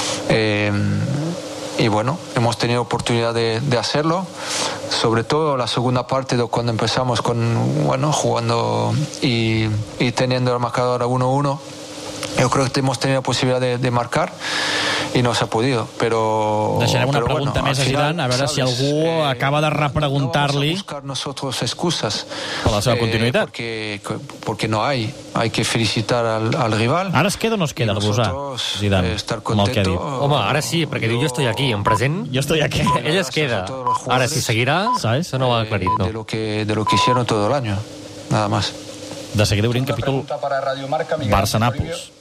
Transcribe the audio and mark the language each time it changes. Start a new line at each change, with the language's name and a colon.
Spanish: Y bueno, hemos tenido oportunidad de hacerlo, sobre todo la segunda parte cuando empezamos con, bueno, jugando y teniendo el marcador 1-1. Yo creo que hemos tenido la posibilidad de marcar
Catalan: i no s'ha podido, però... Deixarem una pregunta més a Zidane, a veure si algú acaba de repreguntar-li...
Spanish: No vamos a buscar nosotros excusas.
Catalan: Per la seva continuïtat.
Spanish: Porque no hay. Hay que felicitar al rival.
Catalan: Ara es queda o no es queda el Busà, Zidane, amb el que ha dit? Home, ara sí, perquè diu jo
Spanish: estoy aquí,
Catalan: en present.
Spanish: Jo estoy aquí.
Catalan: Ell es queda. Ara sí, seguirà, això no ho ha aclarit.
Spanish: De lo que hicieron todo el año, nada más.
Catalan: De seguida obrim capítol Barça-Nàpols.